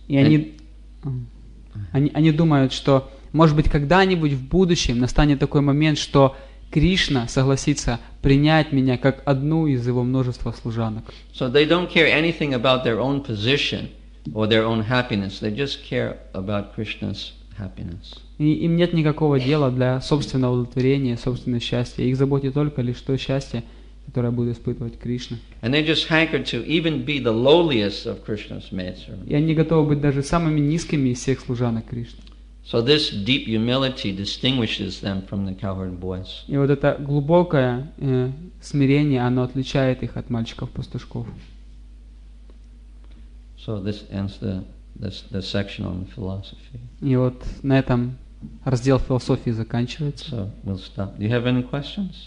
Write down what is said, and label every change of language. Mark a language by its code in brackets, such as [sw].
[ru] И они думают, что, может быть, когда-нибудь в будущем настанет такой момент, что Кришна согласится принять меня как одну из его множества служанок. [en] So they don't care anything about their own position or their own happiness. They just care about Krishna's happiness. [ru] И им нет никакого дела для собственного удовлетворения, собственного счастья. Их заботит только лишь то счастье, которое будет испытывать Кришна. [en] And they just hanker to even be the lowliest of Krishna's maidservants. [ru] И они готовы быть даже самыми низкими из всех служанок Кришны. [en] So this deep humility distinguishes them from the cowherd boys. [ru] И вот это глубокое смирение, оно отличает их от мальчиков-пастушков. [en] So this ends the section on philosophy. [ru] И вот на этом раздел философии заканчивается. [en] So we'll stop. Do you have any questions?